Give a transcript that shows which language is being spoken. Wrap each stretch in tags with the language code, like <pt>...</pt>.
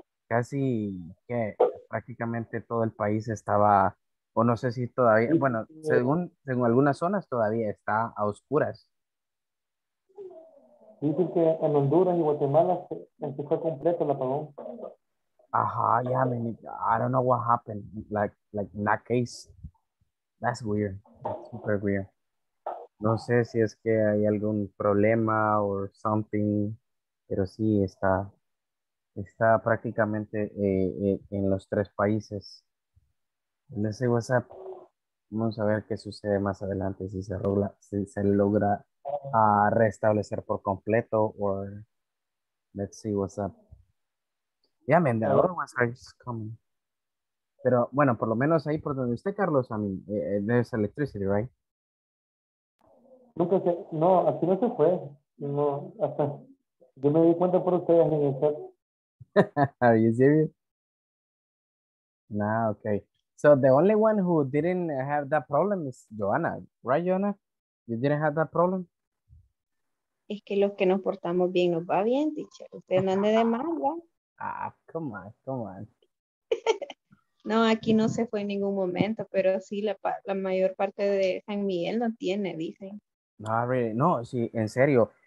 <es>Casi que prácticamente todo el país estaba, o no sé si todavía, bueno, según algunas zonas todavía está a oscuras. Dice que en Honduras y Guatemala se fue completo el apagón.</es> <en>Ajá, yeah, man, I don't know what happened, like in that case, that's weird, that's super weird.</en> <es>No sé si es que hay algún problema</es> <en>or something,</en> <es>pero sí está prácticamente en los tres países.</es> <en>Let's see what's up.</en> <es>Vamos a ver qué sucede más adelante, si se logra restablecer por completo,</es> <en>or let's see what's up. Yeah, man, the other ones are just coming.</en> <es>Pero bueno, por lo menos ahí por donde usted, Carlos, a mí,</es> <en>there's electricity, right?</en> <es>Nunca sé, no, aquí no se fue. No, hasta yo me di cuenta por ustedes en el chat.</es> <en>Are you serious? Nah, okay. So the only one who didn't have that problem is Joanna, right, Joanna? You didn't have that problem?</en> <es>Es que los que nos portamos bien nos va bien, teacher. Usted no ande de mala.</es> <en>Ah, come on.</en> <es>No, aquí no se fue en ningún momento, pero sí la mayor parte de San Miguel no tiene, dicen.</es> <en>No, really.</en> <es>No, sí, en serio.</es>